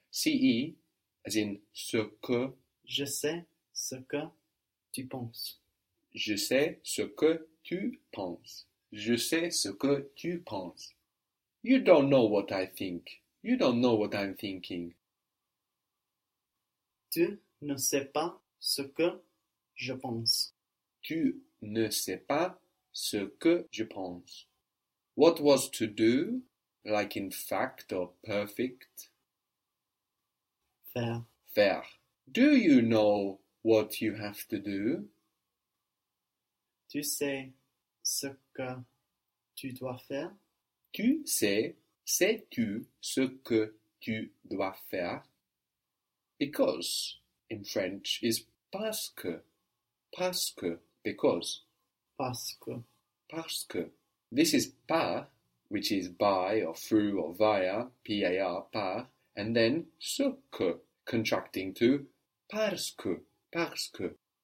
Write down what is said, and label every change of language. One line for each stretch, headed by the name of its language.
English: CE, as in ce que.
French: Je sais ce que tu penses. Je sais ce que tu penses. Je sais ce que tu penses.
English: You don't know what I think. You don't know what I'm thinking.
French: Tu ne sais pas ce que je pense. Tu ne sais pas ce que je pense.
English: What was to do, like in fact or perfect?
French: Faire. Faire.
English: Do you know what you have to do?
French: Tu sais ce que tu dois faire? Tu sais, sais-tu ce que tu dois faire?
English: Because in French is parce que, parce que, because,
French: Parce que. parce que.
English: This is par, which is by or through or via, P-A-R, par, and then ce que, contracting to parce que, parce que.